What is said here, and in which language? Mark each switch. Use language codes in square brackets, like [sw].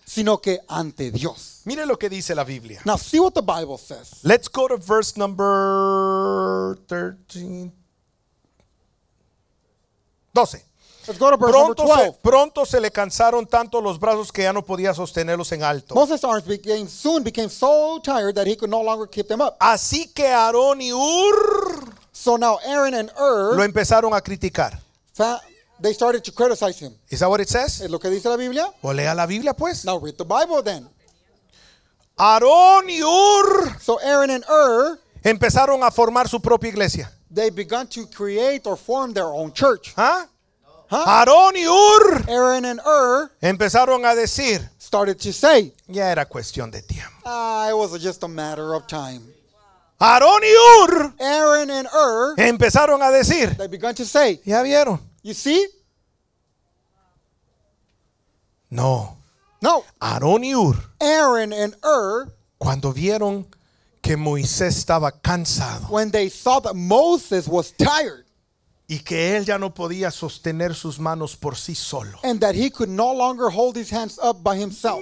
[es] Sino que ante Dios. Mire lo que dice la Biblia. [en] Now see what the Bible says. Let's go to verse number 13. 12. Let's go to verse [es] pronto [en] number 12. [es] Pronto se le cansaron tanto los brazos que ya no podía sostenerlos en alto. [en] Moses' arms soon became so tired that he could no longer keep them up. [es] Así que Aarón y Ur. [en] So now Aaron and Ur. [es] Lo empezaron a criticar. [en] They started to criticize him. Is that what it says? [es] ¿Es lo que dice la Biblia? O lea la Biblia pues. [en] Now read the Bible then. [es] Aarón y Ur. [en] So Aaron and Ur. [es] Empezaron a formar su propia iglesia. [en] They began to create or form their own church. ¿Ah? Huh? [es] Aarón y Ur. [en] Aaron and Ur. [es] Empezaron a decir. [en] Started to say. [es] Ya era cuestión de tiempo. [en] It was just a matter of time. [es] Aarón y Ur. [en] Aaron and Ur. [es] Empezaron a decir. [en] They began to say. [es] Ya vieron. [en] You see? [es] No. [en] No. [es] Aarón y Ur. [en] Aaron and Ur. [es] Cuando vieron que Moisés estaba cansado. [en] When they saw that Moses was tired. [es] Y que él ya no podía sostener sus manos por sí solo. [en] And that he could no longer hold his hands up by himself.